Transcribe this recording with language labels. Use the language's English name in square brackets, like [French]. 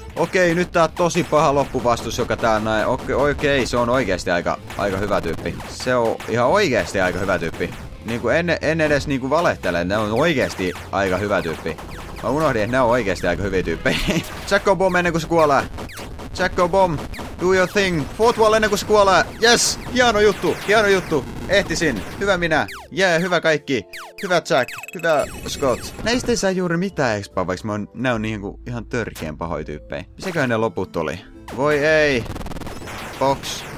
[Finnish] Okei, nyt tää on tosi paha loppuvastus, joka tää on näin. Okei, se on oikeesti aika hyvä tyyppi. Se on ihan oikeesti aika hyvä tyyppi. Niinku en edes niinku valehtele, ne on oikeesti aika hyvä tyyppi. Mä unohdin, että ne on oikeesti aika hyviä tyyppejä. Jacko bomb ennen kuin se kuolee. [English] Jacko bomb, do your thing. [Finnish] Fort Wall ennen kuin se kuolee. Yes, hieno juttu. Ehtisin. Hyvä minä. Jee, yeah, hyvä kaikki. Hyvä Jack. Hyvä Scott. Näistä ei saa juuri mitään expaa, vaikka ne on niinku ihan törkeen pahoja tyyppejä. Missäköhän ne loput oli? Voi ei. Box.